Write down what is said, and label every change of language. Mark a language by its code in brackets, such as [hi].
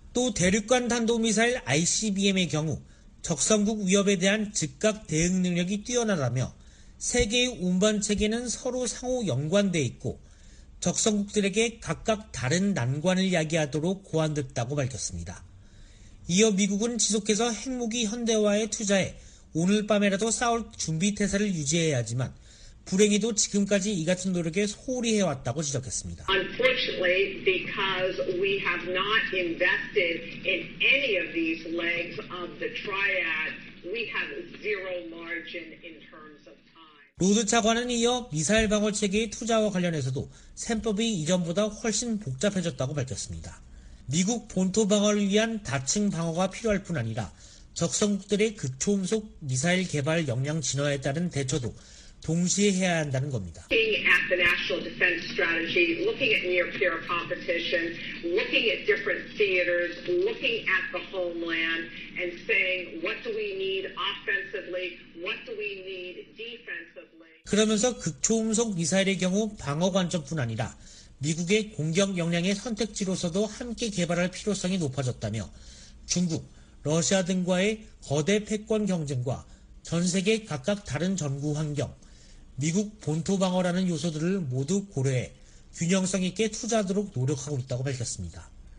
[ko] 또 대륙간 탄도미사일 ICBM의 경우 적성국 위협에 대한 즉각 대응 능력이 뛰어나다며 세계의 운반체계는 서로 상호 연관되어 있고 적성국들에게 각각 다른 난관을 야기하도록 고안됐다고 밝혔습니다. 이어 미국은 지속해서 핵무기 현대화에 투자해 오늘 밤에라도 싸울 준비태세를 유지해야 하지만 불행히도 지금까지 이 같은 노력에 소홀히 해왔다고 지적했습니다. [en] Unfortunately, because we have not invested in any of these legs of the triad, we have zero margin in terms of time. [ko] 로드 차관은 이어 미사일 방어 체계의 투자와 관련해서도 셈법이 이전보다 훨씬 복잡해졌다고 밝혔습니다. 미국 본토 방어를 위한 다층 방어가 필요할 뿐 아니라 적성국들의 극초음속 미사일 개발 역량 진화에 따른 대처도 동시에 해야 한다는 겁니다. [en] Looking at the national defense strategy, looking at near-peer competition, looking at different theaters, looking at the homeland, and saying what do we need offensively, what do we need defensively. [ko] 그러면서 극초음속 미사일의 경우 방어 관점뿐 아니라 미국의 공격 역량의 선택지로서도 함께 개발할 필요성이 높아졌다며 중국, 러시아 등과의 거대 패권 경쟁과 전 세계 각각 다른 전구 환경, 미국 본토 방어라는 요소들을 모두 고려해 균형성 있게 투자하도록 노력하고 있다고 밝혔습니다.